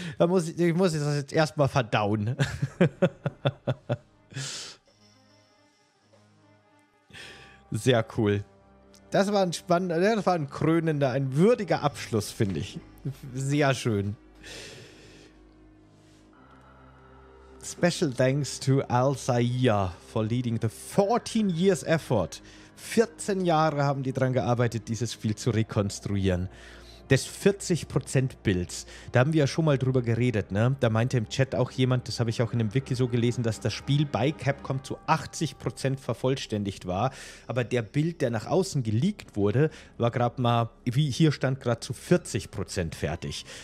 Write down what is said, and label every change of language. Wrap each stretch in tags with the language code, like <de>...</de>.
<de>Da muss ich muss das jetzt erstmal verdauen. Sehr cool. Das war ein spannender, das war ein krönender, ein würdiger Abschluss, finde ich. Sehr schön.</de> <en>Special thanks to Al-Zaia for leading the 14 years effort.</en> <de>14 Jahre haben die dran gearbeitet, dieses Spiel zu rekonstruieren. Des 40% Builds. Da haben wir ja schon mal drüber geredet, ne? Da meinte im Chat auch jemand, das habe ich auch in dem Wiki so gelesen, dass das Spiel bei Capcom zu 80% vervollständigt war. Aber der Build, der nach außen geleakt wurde, war gerade mal, wie hier stand, gerade zu 40% fertig.</de>